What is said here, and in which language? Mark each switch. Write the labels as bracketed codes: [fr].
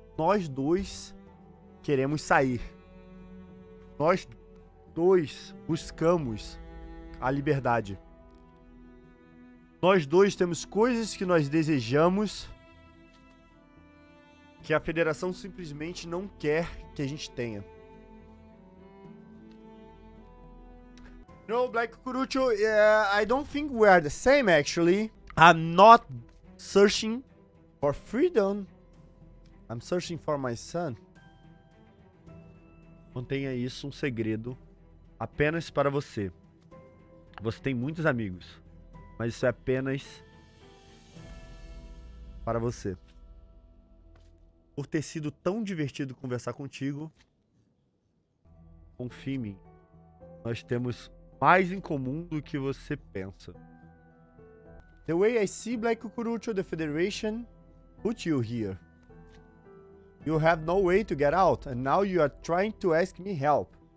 [pt] Nós dois queremos sair. Nós dois buscamos a liberdade. Nós dois temos coisas que nós desejamos, que a federação simplesmente não quer que a gente tenha. [en] No, Black Cucurucho, I don't think we are the same, actually. I'm not searching for freedom. I'm searching for my son. [pt] Mantenha isso um segredo apenas para você. Você tem muitos amigos, mas isso é apenas para você. Por ter sido tão divertido conversar contigo, confie em mim. Nós temos mais em comum do que você pensa. [en] The way I see, Black Cucurucho, the Federation put you here. You have no way to get out, and now you are trying to ask me help.